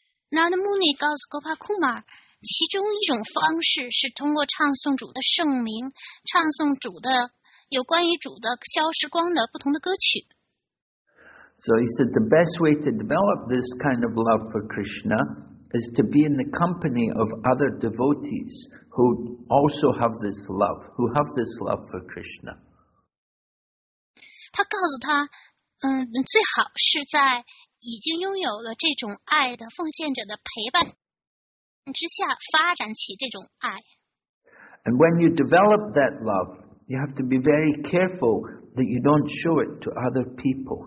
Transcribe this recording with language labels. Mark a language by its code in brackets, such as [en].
[zh] Narada Muni 告诉Gopa Kumar 其中一种方式是通过唱诵主的圣名，唱诵主的有关于主的消失光的不同的歌曲。 [en] So he said the best way to develop this kind of love for Krishna is to be in the company of other devotees who also have this love, who have this love for Krishna. [zh] 他告诉他，最好是在已经拥有了这种爱的奉献者的陪伴。 [en] And when you develop that love, you have to be very careful that you don't show it to other people.